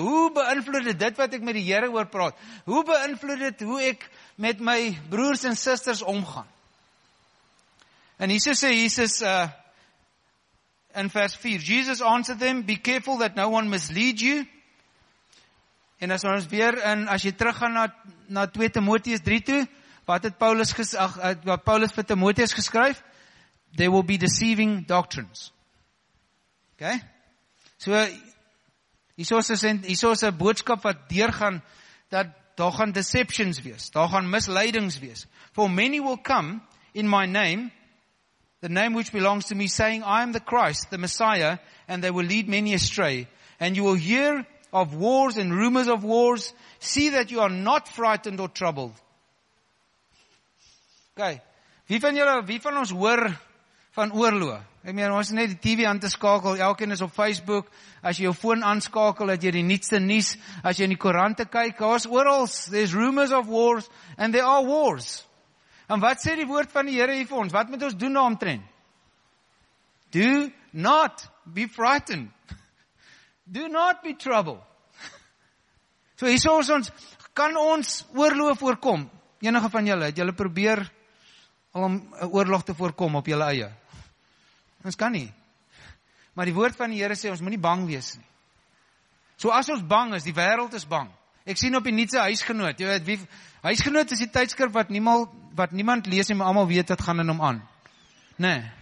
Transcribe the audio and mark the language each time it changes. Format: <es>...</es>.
<af>Hoe beïnvloed dit wat ek met die Here oor praat? Hoe beïnvloed dit hoe ek met my broers en susters omgaan? En Jesus sê, in vers 4,</af> <en>Jesus answered them, be careful that no one mislead you.</en> <af>En as ons weer, en as jy teruggaan na 2 Timoteus 3 toe, wat Paulus vir Timoteus geskryf,</af> <en>there will be deceiving doctrines. Ok?</en> <af>So, hier is een boodskap wat deurgaan, dat daar gaan deceptions wees, daar gaan misleidings wees.</af> <en>For many will come in my name, the name which belongs to me, saying, I am the Christ, the Messiah, and they will lead many astray. And you will hear of wars and rumors of wars. See that you are not frightened or troubled.</en> <af>Okay, wie van ons hoor van oorlog? Ek meen, ons is net die TV aan te skakel, elkeen is op Facebook, as jy jou phone aanskakel, het jy die nietste nies, as jy in die korante kyk,</af> <en>there's rumors of wars, and there are wars.</en> <af>En wat sê die woord van die Here hier vir ons? Wat moet ons doen na omtrent?</af> <en>Do not be frightened. Do not be troubled.</en> <af>So hier sê ons, kan ons oorlog voorkom? Enige van julle, het julle probeer om oorlog te voorkom op julle eie? Ons kan nie. Maar die woord van die Here sê, ons moet nie bang wees nie. So as ons bang is, die wêreld is bang. Ek sien op die nuutste huisgenoot, jy weet, huisgenoot is die tydskrif wat niemand lees nie, maar allemaal weet wat gaan in hom aan. Nee.</af>